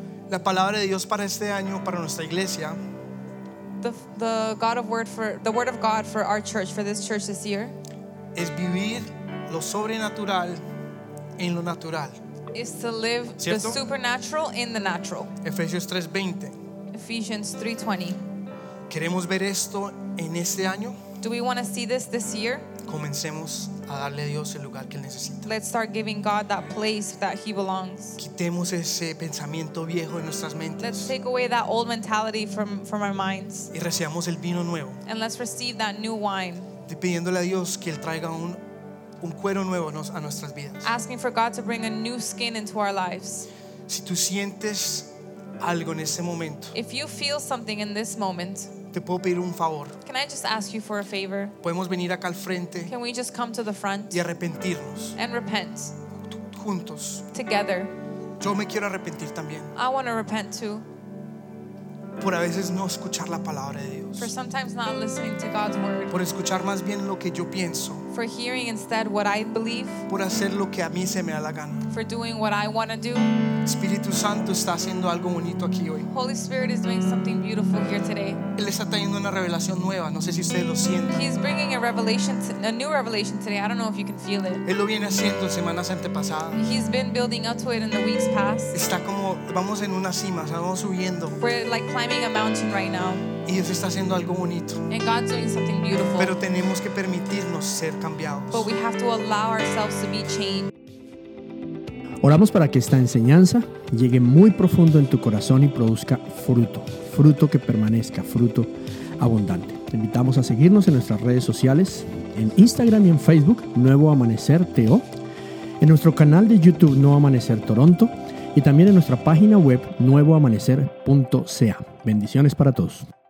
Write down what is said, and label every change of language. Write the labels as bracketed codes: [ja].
[es] La palabra de Dios para este año para nuestra iglesia. [en] The word of God for our church, for this church this year. [es] Es vivir lo sobrenatural en lo natural. [en] Is to live, [es] ¿cierto?, [en] the supernatural in the natural. [es] Efesios 3:20. [en] Ephesians 3:20. [es] Queremos ver esto en este año. [en] Do we want to see this year? [es] Comencemos a darle a Dios el lugar que él necesita. [en] Let's start giving God that place that he belongs. [es] Quitemos ese pensamiento viejo en nuestras mentes. [en] Let's take away that old mentality from our minds. [es] Y recibamos el vino nuevo. [en] And let's receive that new wine. [es] Y pidiéndole a Dios que él traiga un cuero nuevo a nuestras vidas. [en] Asking for God to bring a new skin into our lives. [es] Si tú sientes algo en ese momento. [en] If you feel something in this moment. [es] Te puedo pedir un favor. [en] Can I just ask you for a favor? [es] Podemos venir acá al frente. [en] Can we just come to the front? [es] Y arrepentirnos. [en] And repent. [es] Juntos. [en] Together. [es] Yo me quiero arrepentir también. [en] I want to repent too. [es] Por a veces no escuchar la palabra de Dios. [en] For sometimes not listening to God's word. [es] Por escuchar más bien lo que yo pienso. [en] For hearing instead what I believe. [es] Por hacer lo que a mí se me da la gana. [en] For doing what I want to do. [es] Espíritu Santo está haciendo algo bonito aquí hoy. [en] Holy Spirit is doing something beautiful here today. [es] Él está trayendo una revelación nueva. No sé si ustedes lo sienten. [en] He's bringing a new revelation today. I don't know if you can feel it. [es] Él lo viene haciendo semanas antepasadas. [en] He's been building up to it in the weeks past. [es] Está como vamos en una cima, o sea, vamos subiendo. [en] We're like climbing a mountain right now. [es] Y Dios está haciendo algo bonito. [en] And God's doing something beautiful. [es] Pero tenemos que permitirnos ser cambiados. [en] But we have to allow ourselves to be changed. [es] Oramos para que esta enseñanza llegue muy profundo en tu corazón y produzca fruto, fruto que permanezca, fruto abundante. Te invitamos a seguirnos en nuestras redes sociales, en Instagram y en Facebook, Nuevo Amanecer TO, en nuestro canal de YouTube, Nuevo Amanecer Toronto, y también en nuestra página web, nuevoamanecer.ca. Bendiciones para todos.